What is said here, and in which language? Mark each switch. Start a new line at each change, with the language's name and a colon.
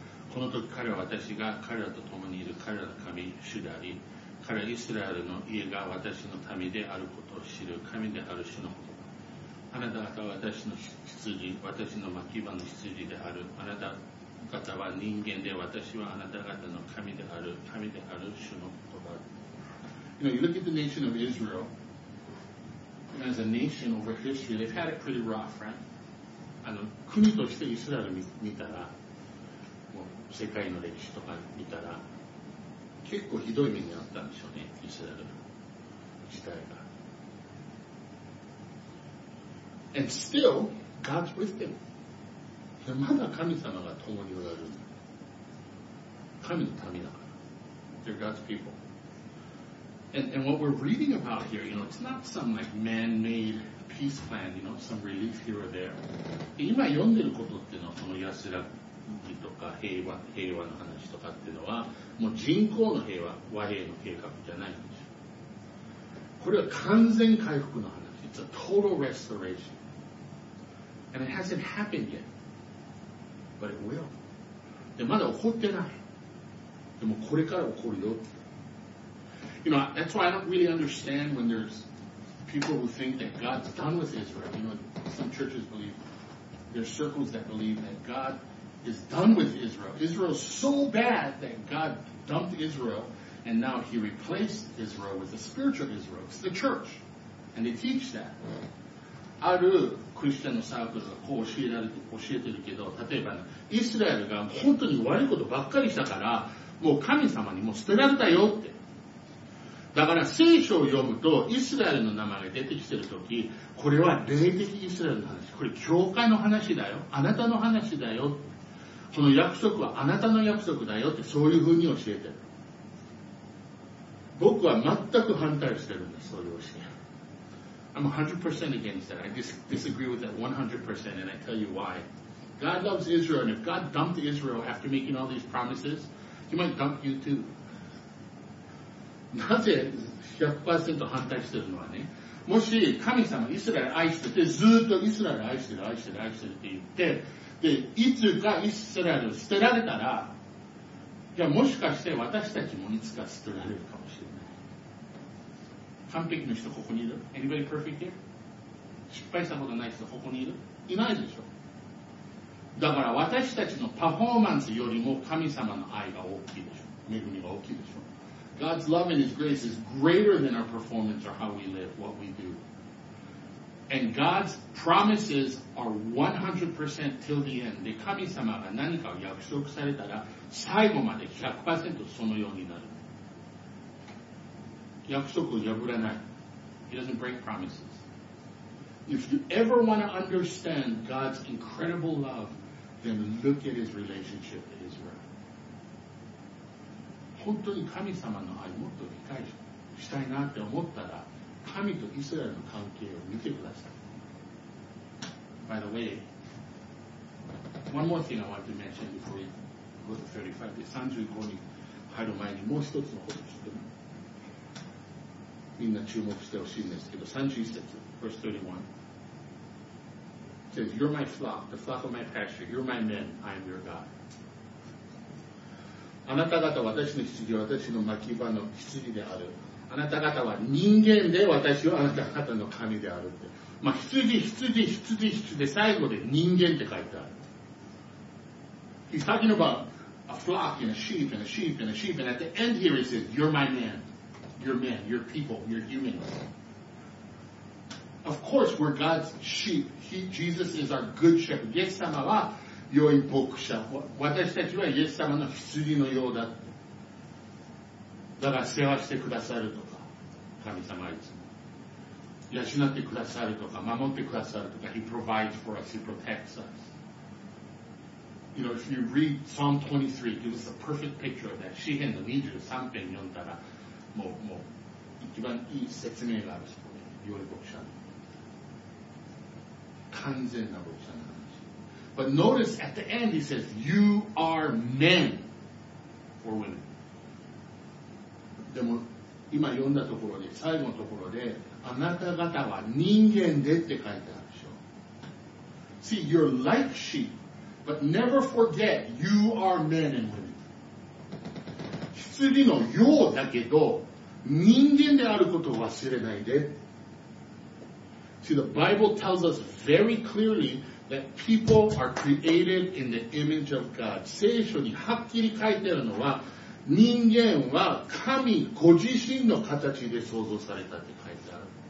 Japanese: この時彼は私が彼らと共にいる彼らの神、主であり、彼はイスラエルの家が私の民であることを知る、神である主の言葉。あなた方は私の羊、私の牧場の羊である。あなた方は人間で、私はあなた方の神である、神である主の言葉。
English: You know, you look at the nation of Israel. As a nation over history, they've had it pretty rough, right?
Japanese: あの、国としてイスラエル見たら、もう世界の歴史とか見たら、結構ひどい目にあったんでしょうね、イスラエル自体が。
English: And still, God's with him.
Japanese: まだ神様が共におられる。神の民だから。
English: They're God's people. And what we're reading about here, you know, it's not some like man-made peace plan, you know, some relief here or there.
Japanese: 今読んでることっていうのは、その安らぎとか平和の話とかっていうのは、もう人口の平和、和平の計画じゃないんですよ。これは完全回復の話。
English: It's a total restoration. And it hasn't happened yet. But it will.
Japanese: でまだ起こってない。でもこれから起こるよ。
English: You know, that's why I don't really understand when there's people who think that God's done with Israel. You know, some churches believe, there's circles that believe that God is done with Israel. Israel's so bad that God dumped Israel, and now he replaced Israel with the spiritual Israel. It's the church. And they teach that.
Japanese: あるクリスチャンのサークルがこう教えてるけど、例えば、ね、イスラエルが本当に悪いことばっかりしたから、もう神様にもう捨てられたよって。だから聖書を読むと、イスラエルの名前が出てきてるとき、これは霊的イスラエルの話。これ教会の話だよ。あなたの話だよ。この約束はあなたの約束だよって、そういうふうに教えてる。僕は全く反対してるんです、そういう教え。
English: I'm 100% against that. I disagree with that 100%, and I tell you why. God loves Israel, and if God dumped Israel after making all these promises, he might dump you too.
Japanese: なぜ 100% 反対してるのはね、もし神様イスラエル愛してて、ずっとイスラエル愛してる、愛してる、愛してるって言って、で、いつかイスラエル捨てられたら、じゃあもしかして私たちもいつか捨てられるかもしれない。完璧の人ここにいる ?
English: Anybody perfect here?
Japanese: 失敗したことない人ここにいる? いないでしょ。だから私たちのパフォーマンスよりも神様の愛が大きいでしょ。恵みが大きいでしょ。
English: God's love and His grace is greater than our performance or how we live, what we do. And God's promises are 100% till the end.
Japanese: で、神様が何かを約束されたら最後まで 100% そのようになる。約束を破らない。
English: He doesn't break promises. If you ever want to understand God's incredible love, then look at his relationship to Israel.
Japanese: 本当に神様の愛をもっと理解したいなって思ったら、神とイスラエルの関係を見てください。
English: By the way, one more thing I want to mention before we go to 35.
Japanese: 35に入る前にもう一つのことを知ってます。みんな注目してほしいんですけど、31節、verse
English: 31 says, You're my flock, the flock of my pasture. You're my men, I am your God.
Japanese: あなた方は私の羊、私の牧場の羊である。あなた方は人間で私はあなた方の神であるって。まあ、羊で最後で人間って書いてある。
English: He's talking about a flock and a sheep and a sheep and a sheep and at the end here he says, You're my men. Your men, your people, your humans. Of course, we're God's sheep. Jesus is our good shepherd.
Japanese: イエス様は良い牧者。私たちはイエス様の羊のようだって。だから世話してくださるとか、神様はいつも。養ってくださるとか、守ってくださるとか、
English: He provides for us, He protects us. You know, if you read Psalm 23, give us a perfect picture of that.
Japanese: 詩編の23編読んだら、もう一番いい説明があるし、これ、よい牧者の。完全な牧者の話。
English: But notice at the end he says, You are men or women.
Japanese: でも、今読んだところで、最後のところで、あなた方は人間でって書いてあるでしょ。
English: See, you're like sheep, but never forget, you are men and women.
Japanese: 羊のようだけど人間であることを忘れないで。
English: See, the Bible tells us very clearly that people are created in the image of God.
Japanese: 聖書にはっきり書いてあるのは人間は神ご自身の形で創造されたって書いてある。